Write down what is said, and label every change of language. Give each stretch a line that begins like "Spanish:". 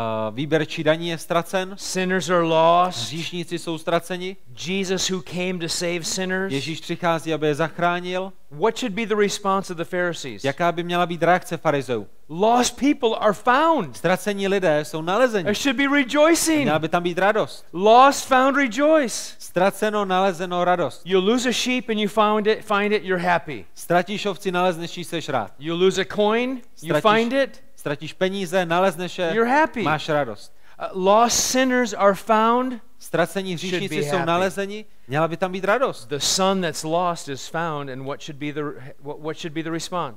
Czech: Výběrčí daní je ztracen.
English: Sinners are lost.
Czech: Hříšníci jsou ztraceni.
English: Jesus who came to save sinners.
Czech: Ježíš přichází, aby je zachránil.
English: What should be the response of the Pharisees?
Czech: Jaká by měla být reakce farizeů?
English: Lost people are found.
Czech: Ztracení lidé jsou nalezeni.
English: There should be rejoicing.
Czech: Měla by tam být radost.
English: Lost found rejoice.
Czech: Ztraceno, nalezeno, radost.
English: You lose a sheep and you find it, you're happy.
Czech: Ztratíš ovci, nalezneš ji, seš rád.
English: You lose a coin, you find it.
Czech: Ztratíš peníze, nalezneš je,
English: you're happy.
Czech: Máš radost.
English: Lost sinners are found.
Czech: Ztracení hříšníci jsou nalezeni. Měla by tam být radost.
English: The son that's lost is found, and what should be the what should be the response?